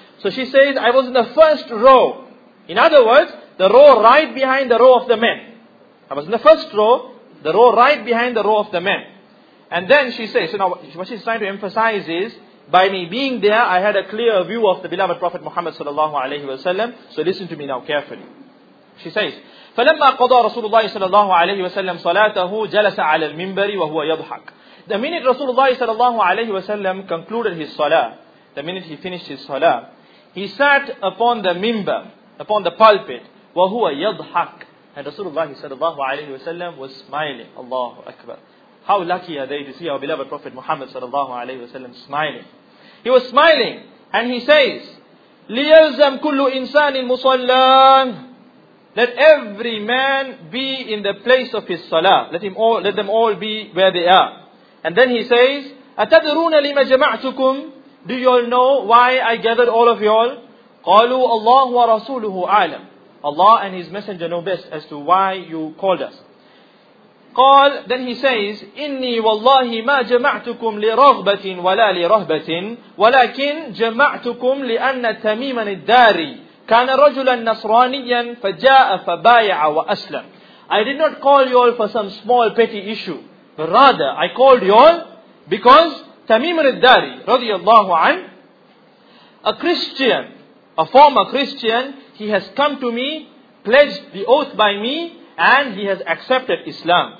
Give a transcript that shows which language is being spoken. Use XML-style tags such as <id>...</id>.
<en>So she says, I was in the first row. In other words, the row right behind the row of the men. I was in the first row, the row right behind the row of the men. And then she says, so now what she's trying to emphasize is, by me being there, I had a clear view of the beloved Prophet Muhammad sallallahu alayhi wa sallam. So listen to me now carefully. She says,</en> <ar>فَلَمَّا قَضَى رَسُولُ اللَّهِ sallallahu alayhi wa sallam صَلَاتَهُ جَلَسَ عَلَى الْمِنْبَرِ وَهُوَ يَضْحَكُ.</ar> <en>The minute Rasulullah sallallahu alayhi wa sallam concluded his salah, the minute he finished his salah, he sat upon the minbar, upon the pulpit,</en> <ar>وَهُوَ يَضْحَكُ.</ar> <en>And Rasulullah sallallahu alayhi wa sallam was smiling. Allahu Akbar. How lucky are they to see our beloved Prophet Muhammad sallallahu alayhi wa sallam smiling. He was smiling and he says,</en> <ar>لِيَلْزَمْ كُلُّ إِنسَانٍ مُصَلَّانٍ.</ar> <en>Let every man be in the place of his salah. Let them all be where they are. And then he says,</en> <ar>أَتَدْرُونَ لِمَ جَمَعْتُكُمْ.</ar> <en>Do you all know why I gathered all of you all?</en> <ar>قَالُوا اللَّهُ وَرَسُولُهُ أَعْلَمْ.</ar> <en>Allah and His Messenger know best as to why you called us.</en> <ar>قال,</ar> <en>then he says,</en> <ar>إِنِّي وَاللَّهِ مَا جَمَعْتُكُمْ لِرَغْبَةٍ وَلَا لِرَهْبَةٍ وَلَكِنْ جَمَعْتُكُمْ لِأَنَّ تَمِيمًا الدَّارِ كَانَ رَجُلًا نَصْرَانِيًا فَجَاءَ فَبَايَعَ وَأَسْلَمْ.</ar> <en>I did not call you all for some small petty issue, but rather I called you all because Tamim al-Dari radiyallahu an, a Christian, a former Christian, he has come to me, pledged the oath by me, and he has accepted Islam.</en>